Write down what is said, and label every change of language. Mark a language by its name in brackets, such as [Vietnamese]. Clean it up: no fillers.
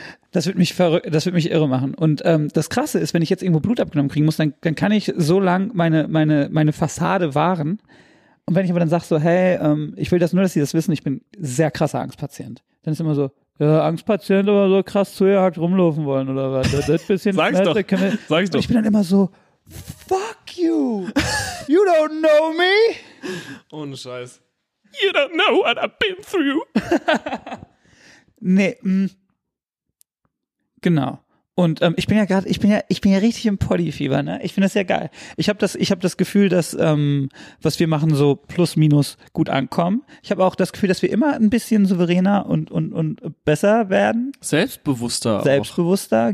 [German] Das würde mich irre machen. Und das Krasse ist, wenn ich jetzt irgendwo Blut abgenommen kriegen muss, dann kann ich so lang meine Fassade wahren. Und wenn ich aber dann sage so, hey, ich will das nur, dass sie das wissen, ich bin sehr krasser Angstpatient. Dann ist immer so, ja, Angstpatient aber so krass zugehackt rumlaufen wollen oder was. Das ist ein bisschen sag's doch. Sag's doch. Ich bin dann immer so, [English] fuck you. You don't know me. [German] Ohne Scheiß. [English] You don't know what I've been through. [German] Nee. Genau. Und ich bin ja richtig im Polyfieber, ne? Ich finde das ja geil. Ich habe das Gefühl, dass was wir machen so plus minus gut ankommen. Ich habe auch das Gefühl, dass wir immer ein bisschen souveräner und besser werden. Selbstbewusster,